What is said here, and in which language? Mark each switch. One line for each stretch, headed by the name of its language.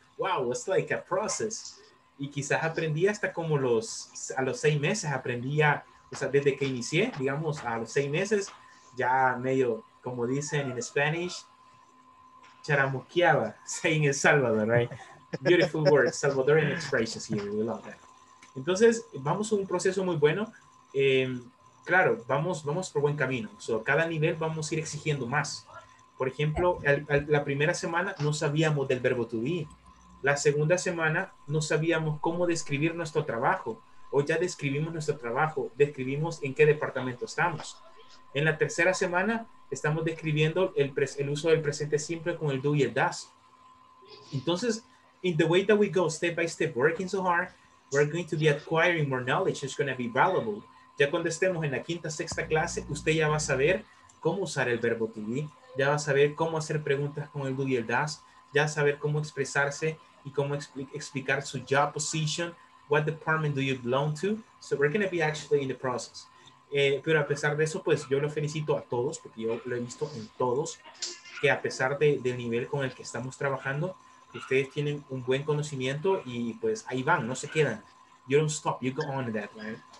English: Wow, it's like a process.
Spanish: Y quizás aprendí hasta como a los 6 meses aprendía, o sea, desde que inicié, digamos, a los 6 meses, ya medio, como dicen en Spanish, charamuqueaba,
English: say in El Salvador, right? Beautiful word, Salvadorian expressions here, we love that.
Spanish: Entonces, vamos a un proceso muy bueno. Claro, vamos por buen camino. So, cada nivel vamos a ir exigiendo más. Por ejemplo, la primera semana no sabíamos del verbo to be. La segunda semana no sabíamos cómo describir nuestro trabajo. O ya describimos nuestro trabajo, describimos en qué departamento estamos. En la tercera semana estamos describiendo el uso del presente simple con el do y el does.
English: Entonces, in the way that we go step by step, working so hard, we're going to be acquiring more knowledge. It's going to be valuable.
Spanish: Ya cuando estemos en la quinta, sexta clase, usted ya va a saber cómo usar el verbo to be. Ya va a saber cómo hacer preguntas con el do y el does. Ya va a saber cómo expresarse y cómo explicar su job position.
English: What department do you belong to? So we're going to be actually in the process.
Spanish: Pero a pesar de eso, pues yo lo felicito a todos, porque yo lo he visto en todos, que a pesar del nivel con el que estamos trabajando, ustedes tienen un buen conocimiento y pues ahí van, no se quedan.
English: You don't stop, you go on that, right?